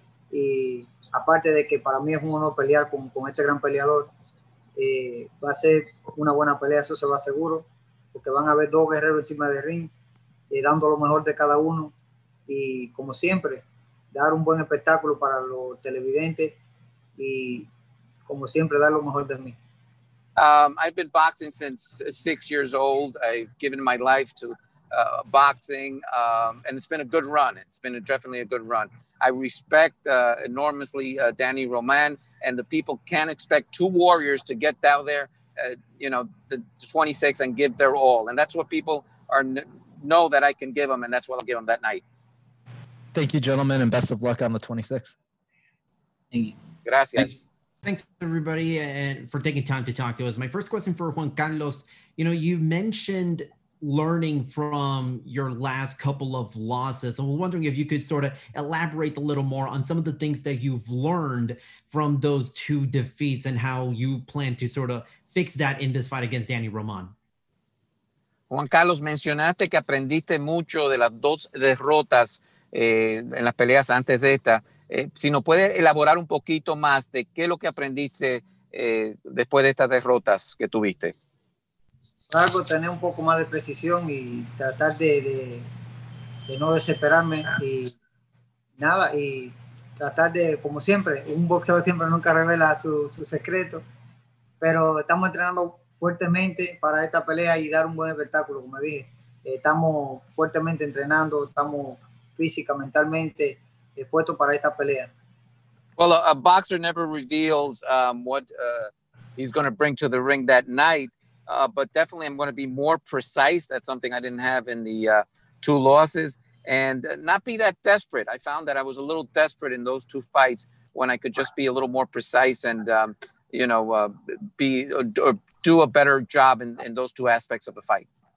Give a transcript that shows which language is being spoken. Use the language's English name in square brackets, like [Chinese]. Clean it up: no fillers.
[Spanish] Y aparte de que para mí es un honor pelear con este gran peleador, va a ser una buena pelea, eso se va seguro, porque van a haber dos guerreros encima del ring, dando lo mejor de cada uno. Y como siempre, dar un buen espectáculo para los televidentes y como siempre, dar lo mejor de mí. [English] I've been boxing since 6 years old. I've given my life to boxing, and it's been a good run. It's been definitely a good run. I respect enormously Danny Roman, and the people can't expect two warriors to get down there, you know, the 26 and give their all. And that's what people know that I can give them, and that's what I'll give them that night. Thank you, gentlemen, and best of luck on the 26th. Thank you. [Spanish] Gracias. [English] Thanks, everybody, and for taking time to talk to us. My first question for Juan Carlos, you know, you mentioned learning from your last couple of losses. I'm wondering if you could sort of elaborate a little more on some of the things that you've learned from those two defeats and how you plan to sort of fix that in this fight against Danny Roman. [Spanish] Juan Carlos, mencionaste que aprendiste mucho de las dos derrotas en las peleas antes de esta. Si nos puede elaborar un poquito más de qué es lo que aprendiste después de estas derrotas que tuviste. Algo, tener un poco más de precisión y tratar de no desesperarme y nada, y tratar de, como siempre, un boxeador siempre nunca revela su secreto, pero estamos entrenando fuertemente para esta pelea y dar un buen espectáculo, como dije. Estamos fuertemente entrenando, estamos física, mentalmente dispuestos para esta pelea. [English] Well, a boxer never reveals what he's going to bring to the ring that night. But definitely I'm going to be more precise. That's something I didn't have in the two losses. And not be that desperate. I found that I was a little desperate in those two fights when I could just be a little more precise and, you know, be or do a better job in those two aspects of the fight.